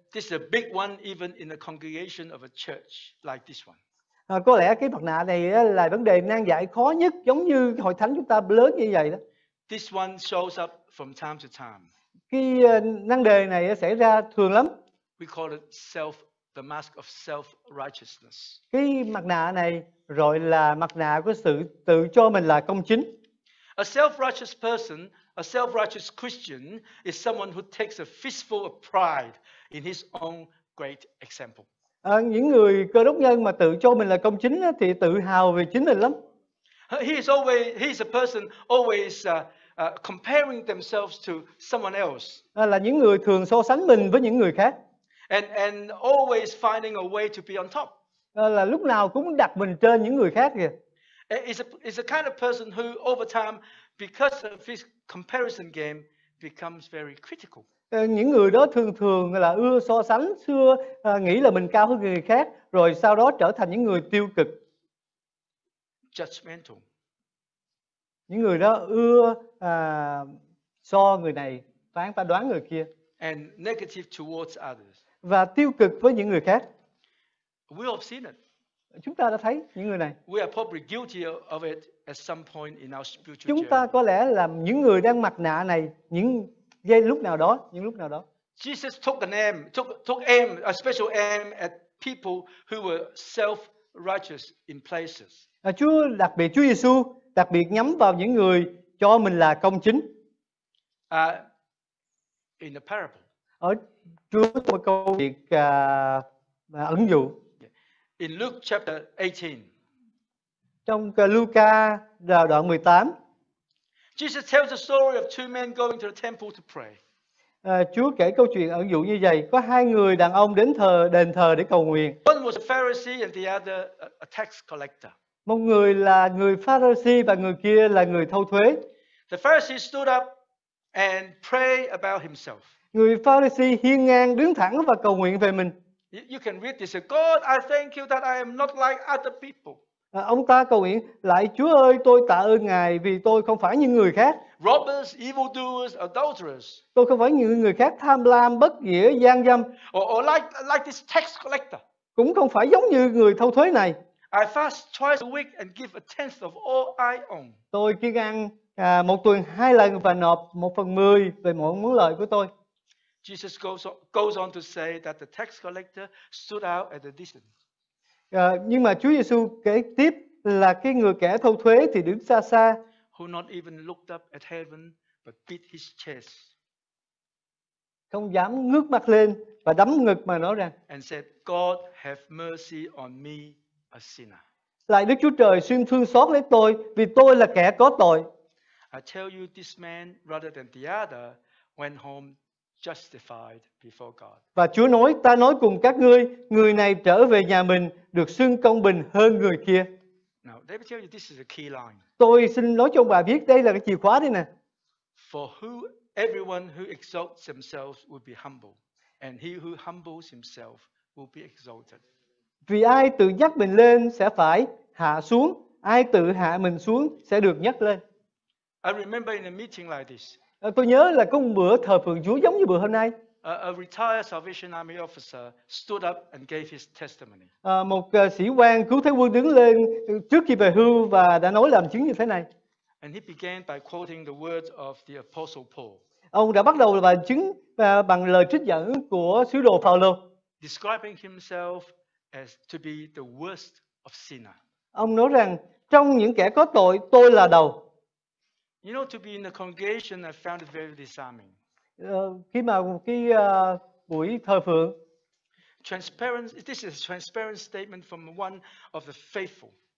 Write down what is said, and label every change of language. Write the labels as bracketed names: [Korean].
[English] This is a big one even in a congregation of a church like this one. [Vietnamese] Có lẽ cái mặt nạ này là vấn đề nan giải khó nhất giống như hội thánh chúng ta lớn như vậy đó. [English] This one shows up from time to time. [Vietnamese] Cái nan đề này xảy ra thường lắm. [English] We call it self, the mask of self-righteousness. [Vietnamese] Cái mặt nạ này gọi là mặt nạ của sự tự cho mình là công chính. [English] A self-righteous person, a self-righteous Christian is someone who takes a fistful of pride in his own great example. [Vietnamese] Những người Cơ Đốc nhân mà tự cho mình là công chính thì tự hào về chính mình lắm. [English] He is a person always comparing themselves to someone else. [Vietnamese] Là những người thường so sánh mình với những người khác. [English] And always finding a way to be on top. [Vietnamese] Là lúc nào cũng đặt mình trên những người khác kìa. [English] It's a kind of person who over time, because of his comparison game, becomes very critical. [Vietnamese] Những người đó thường thường là ưa so sánh, xưa nghĩ là mình cao hơn người khác, rồi sau đó trở thành những người tiêu cực. [English] Judgmental. [Vietnamese] Những người đó ưa so người này, phán ta đoán người kia. [English] And negative towards others. [Vietnamese] Và tiêu cực với những người khác. [English] We have seen it. [Vietnamese] Chúng ta đã thấy những người này. [English] We are probably guilty of it at some point in our spiritual journey. [Vietnamese] Chúng ta có lẽ là những người đang mặc nạ này những giây lúc nào đó, những lúc nào đó. [English] Jesus took aim, a special aim at people who were self-righteous in places. [Vietnamese] Chúa đặc biệt, Chúa Giêsu đặc biệt nhắm vào những người cho mình là công chính. [English] In the parable. [Vietnamese] Ở trước một câu chuyện ẩn dụ. [English] In Luke chapter 18. [Vietnamese] Trong Luca đoạn 18. [English] Jesus tells the story of two men going to the temple to pray. [Vietnamese] Chúa kể câu chuyện ẩn dụ như vậy, có hai người đàn ông đến đền thờ để cầu nguyện. [English] One was a Pharisee and the other a tax collector. [Vietnamese] Một người là người Pharisee và người kia là người thâu thuế. [English] The Pharisee stood up and prayed about himself. [Vietnamese] Người Pharisee hiên ngang đứng thẳng và cầu nguyện về mình. [English] You can read this. God, I thank you that I am not like other people. [Vietnamese] Ông ta cầu nguyện lại, Chúa ơi, tôi tạ ơn Ngài vì tôi không phải như người khác. [English] Robbers, evildoers, adulterers. [Vietnamese] Tôi không phải như người khác tham lam, bất nghĩa, gian dâm. [English] Or like this tax collector. [Vietnamese] Cũng không phải giống như người thâu thuế này. [English] I fast twice a week and give a tenth of all I own. [Vietnamese] Tôi kiêng ăn một tuần hai lần và nộp 1/10 về mỗi món lợi của tôi. [English] Jesus goes on to say that the tax collector stood out at a distance. [Vietnamese] Nhưng mà Chúa Giêsu kể tiếp là cái người kẻ thâu thuế thì đứng xa xa. [English] Who not even looked up at heaven but beat his chest. [Vietnamese] Không dám ngước mặt lên và đấm ngực mà nói rằng. [English] And said, God have mercy on me, a sinner. [Vietnamese] Lạy Đức Chúa Trời, xin thương xót lấy tôi vì tôi là kẻ có tội. [English] I tell you, this man, rather than the other, went home justified before God. [Vietnamese] Và Chúa nói, ta nói cùng các ngươi, người này trở về nhà mình được xưng công bình hơn người kia. [English] Now, let me tell you, this is a key line. [Vietnamese] Tôi xin nói cho ông bà biết, đây là cái chìa khóa đây nè. [English] For who everyone who exalts themselves will be humble, and he who humbles himself will be exalted. [Vietnamese] Vì ai tự nhắc mình lên sẽ phải hạ xuống, ai tự hạ mình xuống sẽ được nhắc lên. [English] I remember in a meeting like this. [Vietnamese] Tôi nhớ là có một bữa thờ phượng Chúa giống như bữa hôm nay. [English] A retired Salvation Army officer stood up and gave his testimony. [Vietnamese] Một sĩ quan cứu thế quân đứng lên trước khi về hưu và đã nói làm chứng như thế này. [English] And he began by quoting the words of the Apostle Paul. [Vietnamese] Ông đã bắt đầu là bài chứng bằng lời trích dẫn của sứ đồ Phaolô. [English] Describing himself as to be the worst of sinner. [Vietnamese] Ông nói rằng trong những kẻ có tội tôi là đầu. [English] You know, to be in the congregation, I found it very disarming. [Vietnamese] Khi mà cái buổi thờ phượng. [English] Transparent. This is a transparent statement from one of the faithful.